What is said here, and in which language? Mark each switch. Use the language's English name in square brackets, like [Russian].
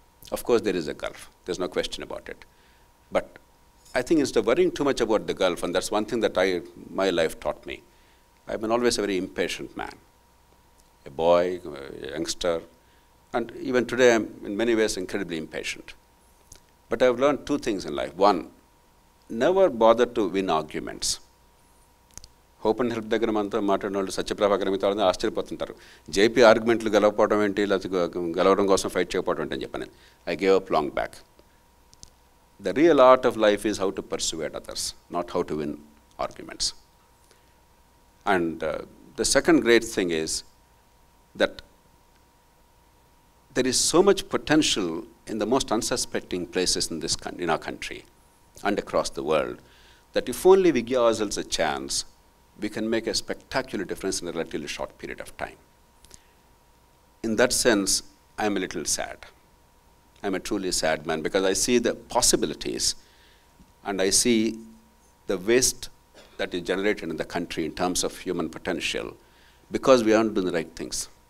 [English] Of course, there is a gulf. There's no question about it. But I think instead of worrying too much about the gulf, and that's one thing that my life taught me, I've been always a very impatient man, a boy, a youngster, and even today I'm in many ways incredibly impatient. But I've learned two things in life. One, never bother to win arguments. [Telugu] Hope and help దగ్గర మనతో మాట్లాడినోళ్ళు సత్యప్రభాకర్ మిత్రులు అందరూ ఆశ్చర్యపోతుంటారు. JP ఆర్గ్యుమెంట్లు గెలవపోవడం ఏంటి, లేకపోతే గెలవడం కోసం fight చేయకపోవడం ఏంటి అని చెప్పాను. [English] I gave up long back. The real art of life is how to persuade others, not how to win arguments. And the second great thing is that there is so much potential in the most unsuspecting places in this in our country and across the world, that if only we give ourselves a chance, we can make a spectacular difference in a relatively short period of time. In that sense, I am a little sad. I am a truly sad man because I see the possibilities and I see the waste that is generated in the country in terms of human potential because we aren't doing the right things.